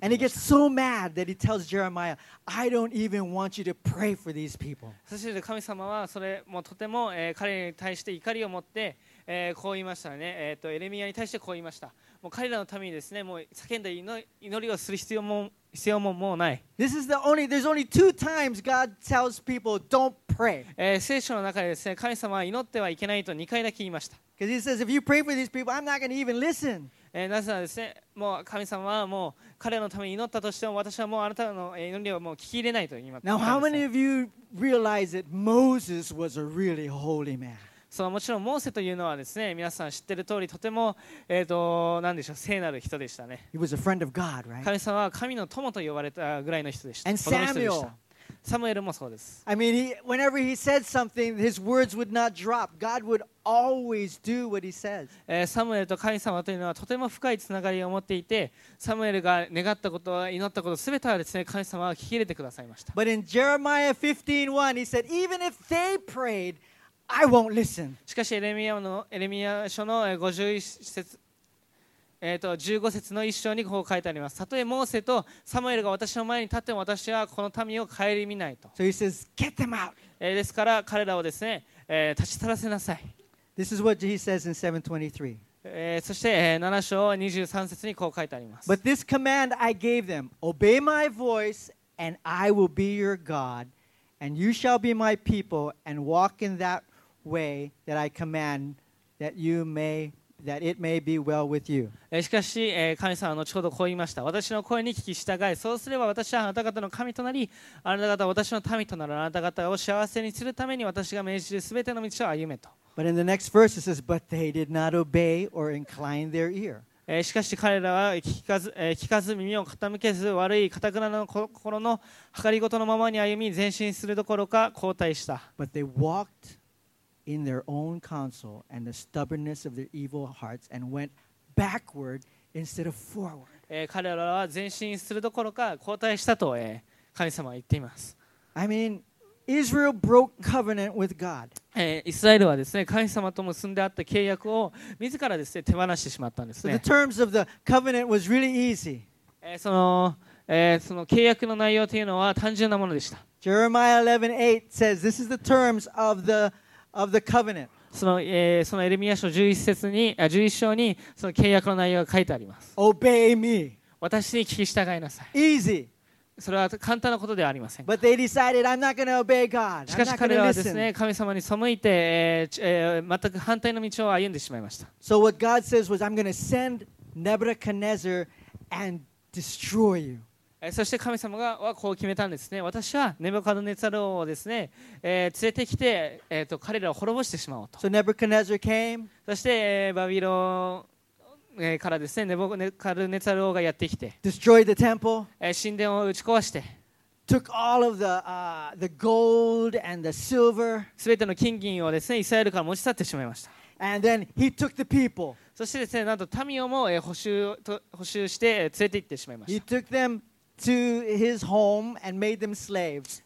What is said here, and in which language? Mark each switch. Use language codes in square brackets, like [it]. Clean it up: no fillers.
[en] And he gets so mad that he tells Jeremiah, I don't even want you to pray for these people. [ja] そして神様はそれもとても彼に対して怒りを持って、こう言いましたね。エレミヤに対してこう言いました。もう彼らのためにですね、もう叫んで祈りをする必要ももうない。 [en] This is the only, there's only two times God tells people don't pray. [ja] 聖書の中でですね、神様は祈ってはいけないと2回だけ言いました。 [en] Because he says, if you pray for these people, I'm not going to even listen. [ja] なぜならですね、もう神様はもう彼のために祈ったとしても、私はもうあなたの祈りをもう聞き入れないと言いました。 [en] Now, how many of you realize that Moses was a really holy man? [ja] そのもちろんモーセというのはですね、皆さん知ってる通りとても何でしょう、聖なる人でしたね。 [en] He was a friend of God, right? [ja] 神様は神の友と呼ばれたぐらいの人でした。 [en] And Samuel. [ja] サムエルもそうです。 [en] I mean, whenever he said something, his words would not drop. God would always do what he says. [ja] サムエルと神様というのはとても深いつながりを持っていて、サムエルが願ったこと、祈ったこと、すべてはですね、神様は聞き入れてくださいました。 [en] But in Jeremiah 15:1, he said, even if they prayed,I won't listen. [ja] しかしエレミア書の51節、15節の一章にこう書いてあります。たとえモーセとサムエルが私の前に立っても私はこの民を顧みないと。 [en] So he says, get them out. [ja] ですから彼らをですね、立ち去らせなさい。 [en] This is what he says in 7:23. [ja] そして7章23節にこう書いてあります。 [en] But this command I gave them, obey my voice and I will be your God. And you shall be my people, and walk in that way that I command, that you may, that it may be well with you. [ja] しかし、神様は後ほどこう言いました。私の声に聞き従い、そうすれば私はあなた方の神となり、あなた方は私の民となる、あなた方を幸せにするために私が命じるすべての道を歩めと。 [en] But in the next verse it says, but they did not obey or incline their ear. [ja] しかし彼らは聞かず耳を傾けず、悪い堅くなの心の計りごとのままに歩み、前進するどころか後退した。 [en] But they walked in their own counsel and the stubbornness of their evil hearts and went backward instead of forward. [ja] 彼らは前進するどころか後退したと神様は言っています。 [en] I mean, Israel broke covenant with God. [ja] イスラエルはですね、神様と結んであった契約を自らですね、手放してしまったんですね。 [en] The terms of the covenant was really easy. [ja] その契約の内容というのは単純なものでした。 [en] Jeremiah 11:8 says, this is the terms of the covenant. [ja] そのエレミア書11章にその契約の内容が書いてあります。 [en] Obey me. [ja] 私に聞き従いなさい。 [en] Easy. [ja] それは簡単なことではありませんか。 [en] But they decided, I'm not gonna obey God. [ja] しかし彼らはですね、神様に背いて、全く反対の道を歩んでしまいました。 [en] So what God says was, I'm gonna send Nebuchadnezzar and destroy you. [ja] そして神様はこう決めたんですね。私はネブカドネザルをですね、連れてきて、彼らを滅ぼしてしまおうと。 [en] So Nebuchadnezzar came. [ja] そして、バビロンからですね、ネボカルネザル王がやってきて、 [en] destroyed the temple, [ja] 神殿を打ち壊して、 [en] took all of the gold and the silver, [ja] すべての金銀をですね、イスラエルから持ち去ってしまいました。 [en] And then he took the people. [ja] そしてですね、なんと民をも捕囚して連れて行ってしまいました。 [en] He took them to his home and made them slaves.